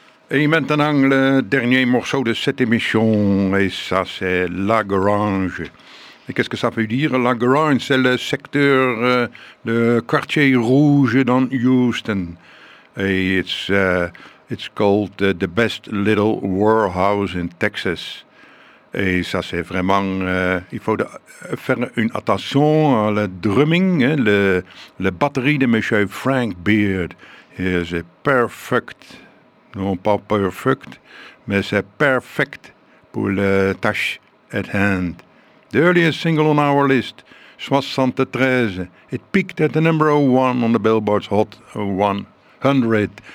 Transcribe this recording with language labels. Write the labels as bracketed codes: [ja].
[fr] Et maintenant, le dernier morceau de cette émission, et ça, c'est La Grange. Et qu'est-ce que ça veut dire, La Grange? C'est le secteur de quartier rouge dans Houston. [en] Et it's called the best little warehouse in Texas. [fr] Et ça, c'est vraiment... il faut faire une attention à la drumming, hein, la batterie de monsieur Frank Beard. C'est perfect, non pas perfect, mais c'est perfect pour le tâche [en] at hand. The earliest single on our list, 73. It peaked at the number one on the Billboard's Hot 100.